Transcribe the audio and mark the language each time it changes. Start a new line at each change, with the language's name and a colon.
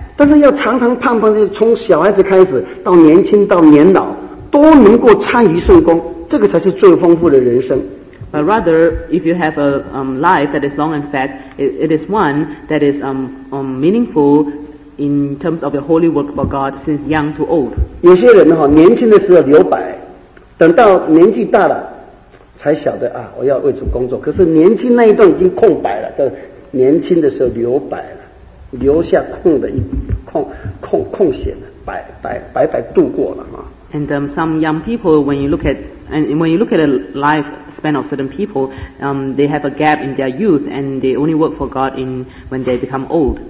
Chinese: 但是要长长胖胖的，从小孩子开始到年轻到年老，都能够参与圣工，这个才是最丰富的人生。
English: But rather, if you have a life that is long and fat, it is one that is meaningful in terms of your holy work for God since young to old.
Chinese: 有些人年轻的时候留白，等到年纪大了才晓得啊，我要为主工作。可是年轻那一段已经空白了，就年轻的时候留白了，留下空的一空闲的白度过了哈。
English: And some young people, when you look at a life span of certain people, they have a gap in their youth and they only work for God in when they become old.